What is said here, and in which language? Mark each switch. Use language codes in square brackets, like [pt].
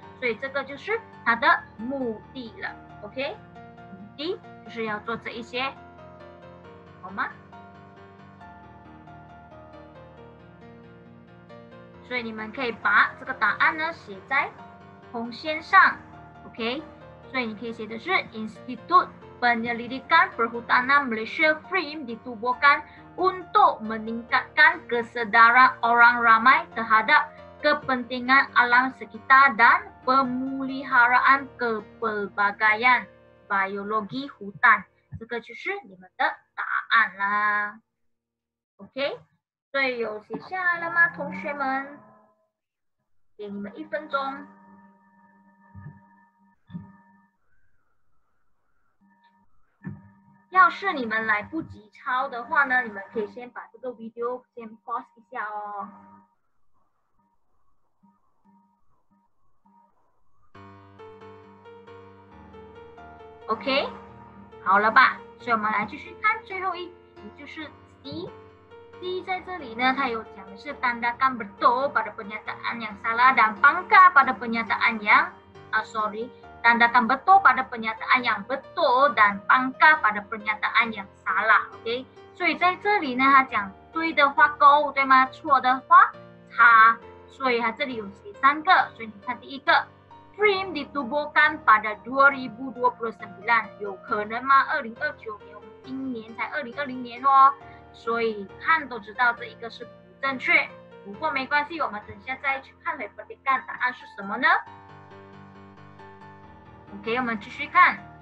[zh] 所以这个就是它的目的了。OK， 第一就是要做这一些，好吗？所以你们可以把这个答案呢写在红线上。 [ms] OK， [zh] 所以你可以写的是 [ms] Institut Penyelidikan Perhutanan Malaysia Frame ditubuhkan untuk meningkatkan kesedaran orang ramai terhadap kepentingan alam sekitar dan pemuliharaan kepelbagaian。 biologi hutan， [zh] 这个就是你们的答案啦。 OK， 所以有写下来了吗？同学们，给你们一分钟。要是你们来不及抄的话呢，你们可以先把这个 video 先 pause 一下哦。 OK， 好了吧，所以我们来继续看最后一，也就是 C。 C 在这里呢，它有讲的是 [ms] tandakan betul pada pernyataan yang salah dan pangka pada pernyataan yang tandakan betul pada pernyataan yang betul dan pangka pada pernyataan yang salah。 [zh] OK， 所以在这里呢，它讲对的话勾，对吗？错的话叉。所以它这里有写三个，所以你看第一个。 [ms] Frame ditubuhkan pada 2029， [zh] 有可能吗？ 2029年，我们今年才2020年哦，所以看都知道这一个是不正确。不过没关系，我们等下再去看回 petikan 答案是什么呢？ OK， 我们继续看。